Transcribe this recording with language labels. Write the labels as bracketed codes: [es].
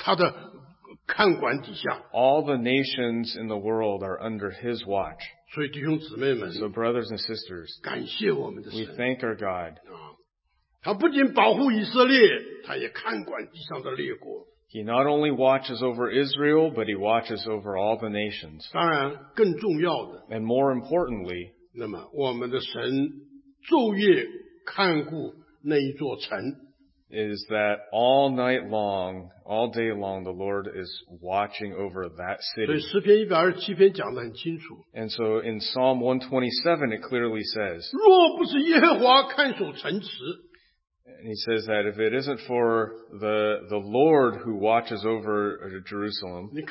[zh] 天下的万国都在他的看管底下。 [en] All the nations in the world are under His watch. [zh] 所以弟兄姊妹们, [en] so brothers and sisters, [zh] 感谢我们的神, [en] we thank our God. [zh] 他不仅保护以色列，他也看管地上的列国。 [en] He not only watches over Israel, but he watches over all the nations. [zh] 当然，更重要的。 [en] And more importantly, [zh] 那么我们的神昼夜看顾那一座城。 [en] Is that all night long, all day long, the Lord is watching over that city. [zh] 所以诗篇127篇讲得很清楚。 [en] And so in Psalm 127, it clearly says, [zh] 若不是耶和华看守城池。 [en] And he says that if it isn't for the Lord who watches over Jerusalem,